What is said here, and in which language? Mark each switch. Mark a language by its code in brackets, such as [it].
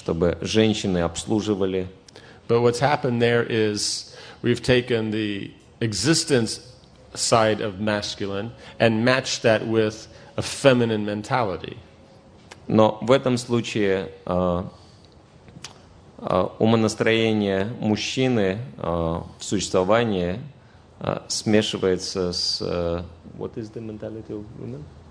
[ru] чтобы женщины обслуживали. [en] But what's happened there is we've taken the existence side of masculine and matched that with a feminine mentality. [ru] Но в этом случае умонастроение мужчины в существовании смешивается с [en] what is the mentality of women?